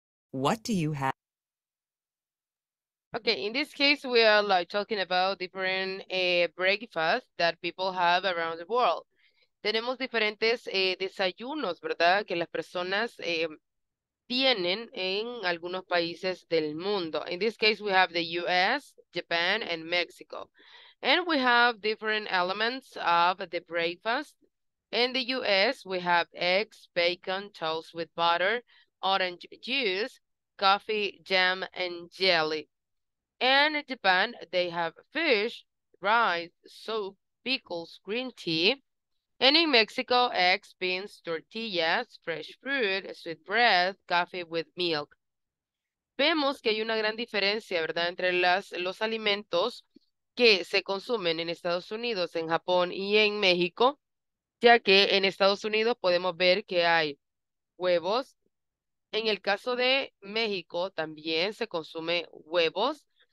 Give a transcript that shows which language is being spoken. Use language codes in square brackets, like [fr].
[en] What do you have? Okay, in this case, we are like talking about different breakfasts that people have around the world. [es] Tenemos diferentes desayunos, ¿verdad? Que las personas tienen en algunos países del mundo. [en] In this case, we have the US, Japan, and Mexico. And we have different elements of the breakfast. In the US, we have eggs, bacon, toast with butter, orange juice, coffee, jam, and jelly. And in Japan, they have fish, rice, soup, pickles, green tea. And in Mexico, eggs, beans, tortillas, fresh fruit, sweet bread, coffee with milk. [es] Vemos que hay una gran diferencia, ¿verdad?, entre los alimentos que se consumen en Estados Unidos, en Japón y en México, ya que en Estados Unidos podemos ver que hay huevos. En el caso de México, también se consume huevos.